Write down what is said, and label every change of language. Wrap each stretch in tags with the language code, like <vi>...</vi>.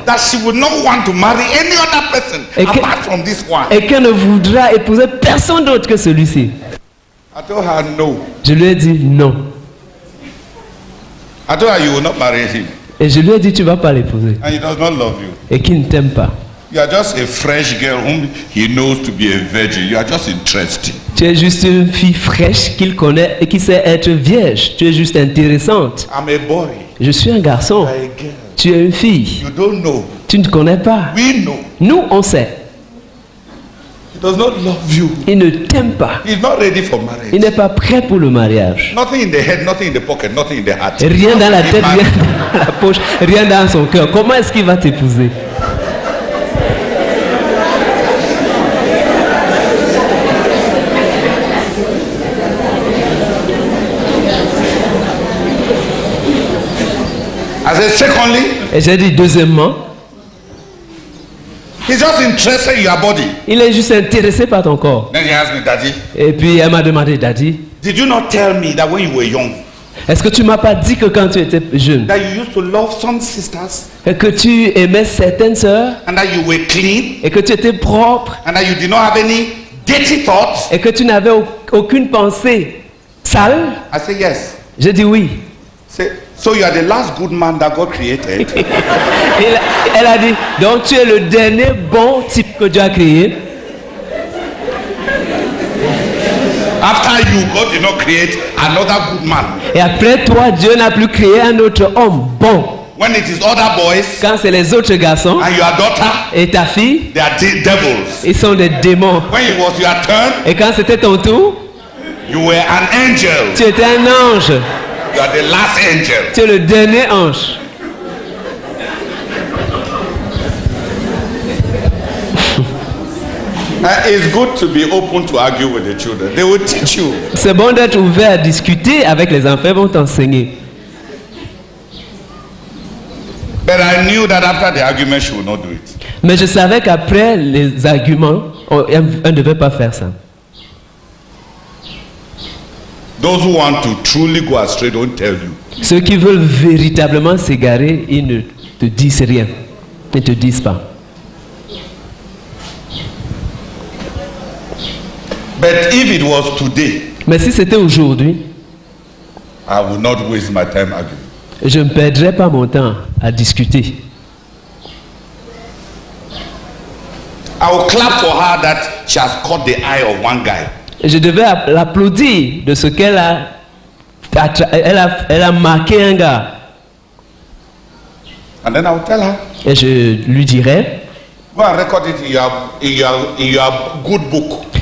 <en>That she would not want to marry any other person apart from this one.</en> <fr>Et qu'elle ne voudra épouser personne d'autre que celui-ci.</fr> <en>I told her no.</en> <fr>Je lui ai dit non.</fr> <en>I told her you will not marry him.</en> <fr>Et je lui ai dit, tu ne vas pas l'épouser.</fr> <en>And he does not love you.</en> <fr>Et qu'il ne t'aime pas.</fr> <en>You are just a fresh girl whom he knows to be a virgin. You are just interesting.</en> <fr>Tu es juste une fille fraîche qu'il connaît et qui sait être vierge. Tu es juste intéressante.</fr> <en>I'm a boy.</en> <fr>Je suis un garçon.</fr> <en>You are a girl.</en> <fr>Tu es une fille.</fr> <en>You don't know.</en> <fr>Tu ne connais pas.</fr> <en>We know.</en> <fr>Nous, on sait.</fr> <en>He does not love you.</en> <fr>Il ne t'aime pas.</fr> <en>He's not ready for marriage.</en> <fr>Il n'est pas prêt pour le mariage.</fr> <en>Nothing in the head, nothing in the pocket, nothing in the heart.</en> <fr>Rien dans la tête, rien dans la poche, rien dans son cœur. Comment est-ce qu'il va t'épouser?</fr> <en>said, secondly,</en> <fr>et j'ai dit deuxièmement,</fr> <en>he's just interested in your body.</en> <fr>Il est juste intéressé par ton corps.</fr> <en>Then he asked me, Daddy,</en> <fr>et puis elle m'a demandé, Daddy,</fr> <en>did you not tell me that when you were young,</en> <fr>est-ce que tu m'as pas dit que quand tu étais jeune,</fr> <en>that you used to love some sisters,</en> <fr>et que tu aimais certaines sœurs,</fr> <en>and that you were clean,</en> <fr>et que tu étais propre,</fr> <en>and that you did not have any dirty thoughts,</en> <fr>et que tu n'avais aucune pensée sale?</fr> <en>I said yes.</en> <fr>J'ai dit oui.</fr> <en>So you are the last good man that God created.</en> <fr>Elle a dit, donc tu es le dernier bon type que Dieu a créé.</fr> <en>After you, God did not create another good man.</en> <fr>Et après toi, Dieu n'a plus créé un autre homme bon.</fr> <en>When it is other boys,</en> <fr>quand c'est les autres garçons,</fr> <en>and your daughter,</en> <fr>et ta fille,</fr> <en>they are devils.</en> <fr>Ils sont des démons.</fr> <en>When it was your turn,</en> <fr>et quand c'était ton tour,</fr> <en>you were an angel.</en> <fr>Tu étais un ange.</fr> <en>You are the last angel.</en> <fr>Tu es le dernier ange.</fr> <en>It's good to be open to argue with the children. They will teach you.</en> <fr>C'est bon d'être ouvert à discuter avec les enfants. Ils vont t'enseigner.</fr> <en>But I knew that after the argument, she would not do it.</en> <fr>Mais je savais qu'après les arguments, elle ne devait pas faire ça.</fr> <en>Those who want to truly go astray don't tell you.</en> <fr>Ceux qui veulent véritablement s'égarer, ils ne te disent rien. Ils ne te disent pas.</fr> <en>But if it was today,</en> <fr>mais si c'était aujourd'hui,</fr> <en>I would not waste my time arguing.</en> <fr>Je ne perdrais pas mon temps à discuter.</fr> <en>I will clap for her that she has caught the eye of one guy.</en> <fr>Je devais l'applaudir de ce qu'elle a, elle a marqué un gars.</fr> <en>And then I will tell her.</en> <fr>Et je lui dirai.</fr> <en>Go and record it in your good book.</en>